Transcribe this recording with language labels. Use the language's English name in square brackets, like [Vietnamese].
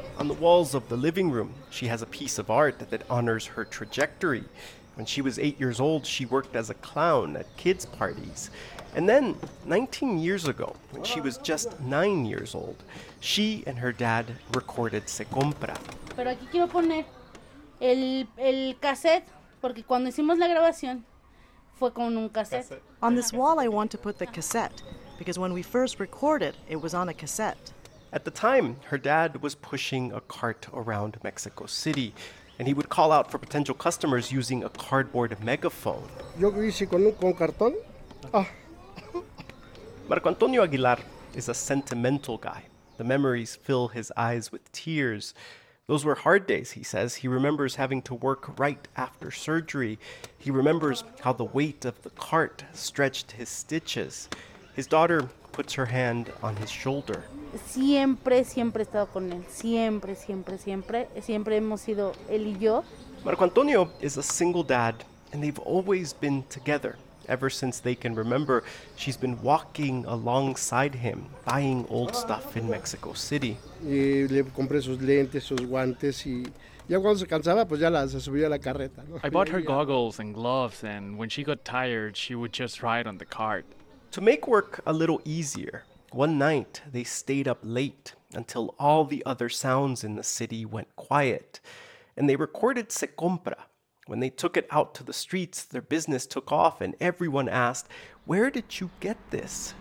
[English] On the walls of the living room, she has a piece of art that honors her trajectory. When she was 8 years old, she worked as a clown at kids' parties. And then, 19 years ago, when she was just 9 years old, she and her dad recorded Se Compra. [Spanish] Pero aquí quiero poner el cassette. Porque cuando hicimos la grabación, fue con un cassette. [English] On this wall, I want to put the cassette, because when we first recorded, it was on a cassette. At the time, her dad was pushing a cart around Mexico City, and he would call out for potential customers using a cardboard megaphone. [Spanish] Yo hice con cartón. [English] Marco Antonio Aguilar is a sentimental guy. The memories fill his eyes with tears. Those were hard days, he says. He remembers having to work right after surgery. He remembers how the weight of the cart stretched his stitches. His daughter puts her hand on his shoulder. [Spanish] Siempre, siempre he estado con él. Siempre, siempre, siempre. Siempre hemos sido él y yo. [English] Marco Antonio is a single dad, and they've always been together. Ever since they can remember, she's been walking alongside him, buying old stuff in Mexico City. [Spanish] Y le compré sus lentes, sus guantes, y ya cuando se cansaba, pues ya se subía a la carreta. [English] I bought her goggles and gloves, and when she got tired, she would just ride on the cart. To make work a little easier, one night they stayed up late until all the other sounds in the city went quiet, and they recorded Se Compra. When they took it out to the streets, their business took off, and everyone asked, "Where did you get this?"